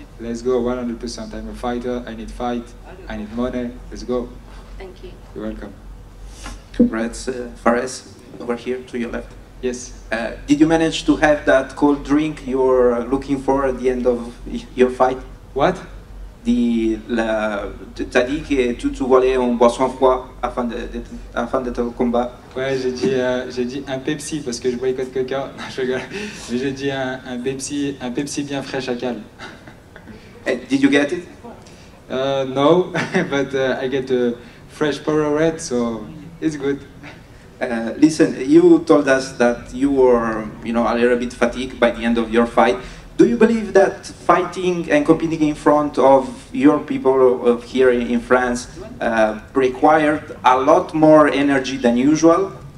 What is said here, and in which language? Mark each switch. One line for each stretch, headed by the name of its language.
English: Let's go, 100%. I'm a fighter, I need fight, I need money. Let's go. Thank you. You're welcome. Right, Fares, over here to your left. Yes. Did you manage to have that cold drink you're looking for at the end of your fight? What?
French: T'as dit que tu voulais une boisson froide afin de ton combat. Ouais, j'ai dit un Pepsi parce que je boycotte Coca. Non, je rigole. Mais j'ai dit un Pepsi bien frais, chacal.
English: And did you get it? No, but I get a fresh Powerade, so it's good. Listen, you told us that you were, you know, a little bit fatigued by the end of your fight. Do you believe that fighting and competing in front of your people here in France required a lot more energy than usual?